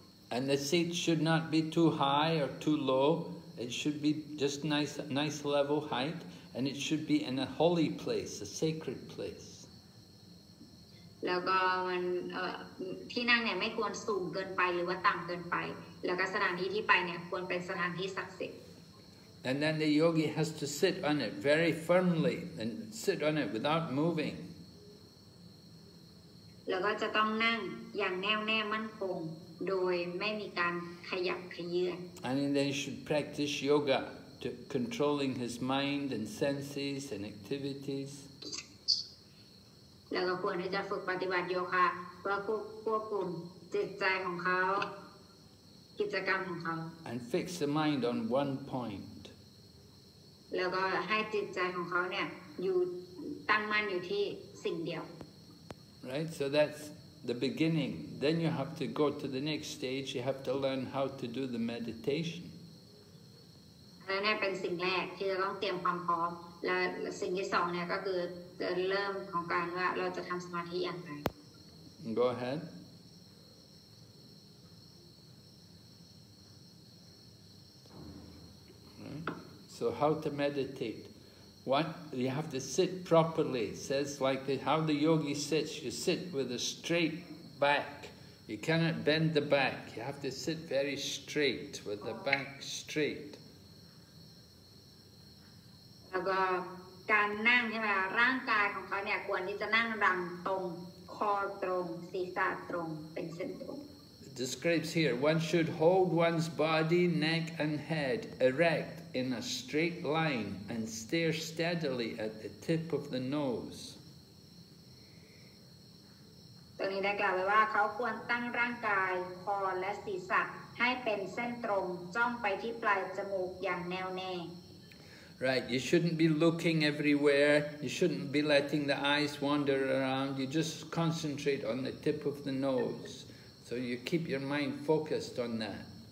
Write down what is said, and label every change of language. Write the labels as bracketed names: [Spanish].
[English] And the seat should not be too high or too low. It should be just nice level height, and it should be in a holy place, a sacred place. [Thai] แล้วก็มันที่นั่งเนี่ยไม่ควรสูงเกินไปหรือว่าต่ำเกินไปแล้วก็สถานที่ที่ไปเนี่ยควรเป็นสถานที่ศักดิ์สิทธิ์ [English] And then the yogi has to sit on it very firmly and sit on it without moving. [Thai] แล้วก็จะต้องนั่งอย่างแน่วแน่มั่นคงโดยไม่มีการขยับขยื่น [English] And then he should practice yoga to controlling his mind and senses and activities. [Thai] แล้วก็ควรที่จะฝึกปฏิบัติโยคะเพื่อควบคุมจิตใจของเขากิจกรรมของเขา [English] And fix the mind on one point. [Thai] แล้วก็ให้จิตใจของเขาเนี่ยอยู่ตั้งมั่นอยู่ที่สิ่งเดียว [English] Right so that's the beginning then you have to go to the next stage you have to learn how to do the meditation [Thai] อันนี้เป็นสิ่งแรกที่จะต้องเตรียมความพร้อมและสิ่งที่2เนี่ยก็คือจะเริ่มของการว่าเราจะทำสมาธิอย่างไร [English] Go aheadSo how to meditate? What? You have to sit properly. It says like the, how the yogi sits. You sit with a straight back. You cannot bend the back. You have to sit very straight with the back straight. [Thai] แล้วก็การนั่งใช่ไหมร่างกายของเขาเนี่ยควรที่จะนั่งรังตรงคอตรงศีรษะตรงเป็นเส้นตรง [English] Describes here, one should hold one's body, neck and head erect in a straight line and stare steadily at the tip of the nose. [Thai] ตรงนี้ได้กล่าวไว้ว่าเขาควรตั้งร่างกายคอและศีรษะให้เป็นเส้นตรงจ้องไปที่ปลายจมูกอย่างแน่วแน่ [English] Right, you shouldn't be looking everywhere. You shouldn't be letting the eyes wander around. You just concentrate on the tip of the nose. So you keep your mind focused on that.